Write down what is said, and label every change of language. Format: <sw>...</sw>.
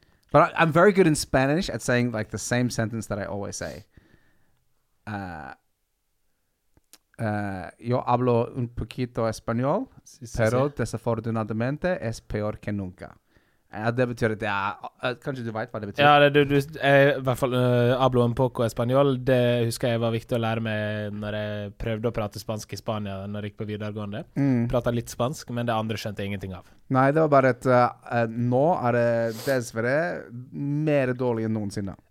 <en>But I'm very good in Spanish at saying like the same sentence that I always say.</en> <es>Yo hablo un poquito español, pero desafortunadamente es peor que nunca.</es> <no>Det betyr at det er... Kanskje du vet hva det betyr? Ja, du, jeg, i hvert fall</no> <es>hablo un poco español.</es> <no>Det husker jeg var viktig å lære meg når jeg prøvde å prate spansk i Spania når jeg gikk på videregående. Mm. Pratet litt spansk, men det andre skjønte jeg ingenting av. Nei, det var bare at nå er det dessverre mer dårlig enn noensinne.</no>